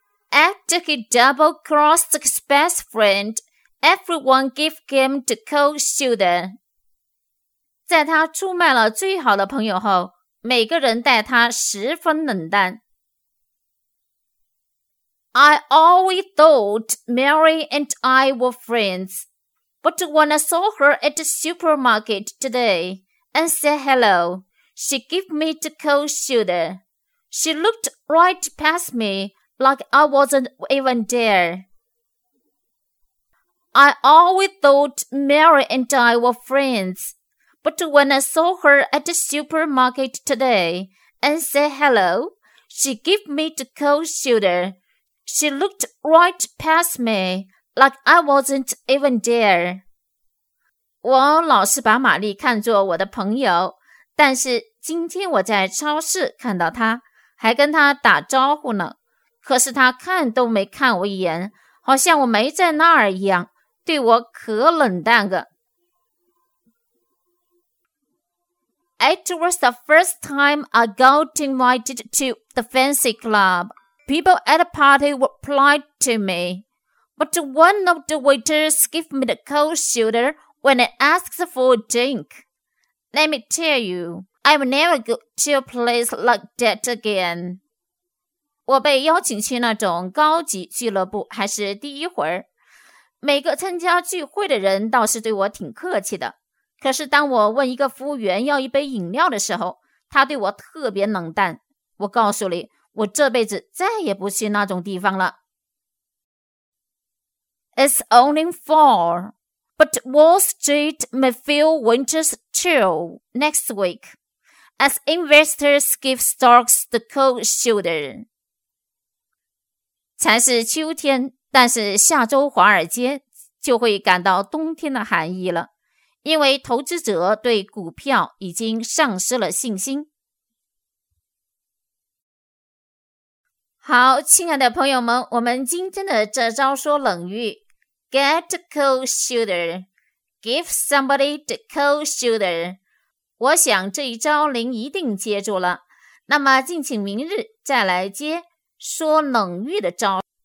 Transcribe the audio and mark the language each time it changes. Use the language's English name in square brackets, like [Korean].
[English] After he double-crossed his best friend, everyone gave him the cold shoulder. [Chinese] 在他出卖了最好的朋友后，每个人待他十分冷淡。 [English] I always thought Mary and I were friends, but when I saw her at the supermarket today and said hello, she gave me the cold shoulder. She looked right past me. Like I wasn't even there. I always thought Mary and I were friends, but when I saw her at the supermarket today and said hello, she gave me the cold shoulder. She looked right past me, like I wasn't even there. [Chinese] 我老是把玛丽看作我的朋友，但是今天我在超市看到她，还跟她打招呼呢。可是他看都没看我一眼，好像我没在那儿一样，对我可冷淡个。 [English] It was the first time I got invited to the fancy club. People at the party were polite to me, but one of the waiters gave me the cold shoulder when I asked for a drink. Let me tell you, I will never go to a place like that again. [Chinese] 我被邀请去那种高级俱乐部还是第一回儿。每个参加聚会的人倒是对我挺客气的，可是当我问一个服务员要一杯饮料的时候，他对我特别冷淡。我告诉你，我这辈子再也不去那种地方了。 [English] It's only fall, but Wall Street may feel winter's chill next week as investors give stocks the cold shoulder. [Chinese] 才是秋天，但是下周华尔街就会感到冬天的寒意了，因为投资者对股票已经丧失了信心。好，亲爱的朋友们，我们今天的这招说冷语 Get cold shoulder, Give somebody the cold shoulder, 我想这一招您一定接住了，那么敬请明日再来接说冷语的招。